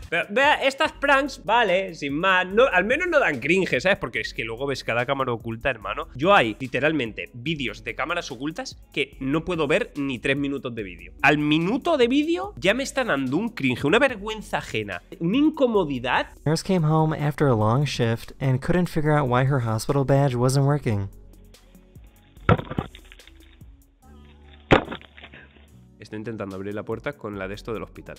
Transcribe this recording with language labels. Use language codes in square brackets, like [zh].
[es] Vea, estas pranks, vale, sin más, no, al menos no dan cringe, ¿sabes? Porque es que luego ves cada cámara oculta, hermano. Yo hay, literalmente, vídeos de cámaras ocultas que no puedo ver ni 3 minutos de vídeo. Al minuto de vídeo ya me está dando un cringe, una vergüenza ajena, una incomodidad. [en] The nurse came home after a long shift and couldn't figure out why her hospital badge wasn't working. [es] Estoy intentando abrir la puerta con la de esto del hospital.